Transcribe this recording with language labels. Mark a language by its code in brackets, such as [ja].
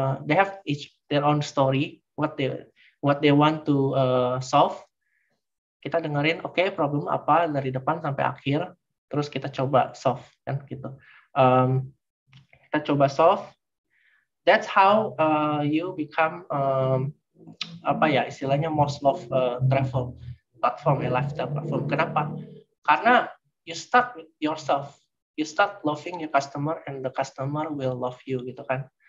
[en] They have each their own story, what they want to solve. [id] Kita dengerin, okay, problem apa dari depan sampai akhir, terus kita coba solve, kan gitu. Kita coba solve. [en] That's how you become [id] istilahnya [en] most loved travel platform, a lifestyle platform. [id] Kenapa? Karena [en] you start with yourself, you start loving your customer, and the customer will love you, [id] gitu kan?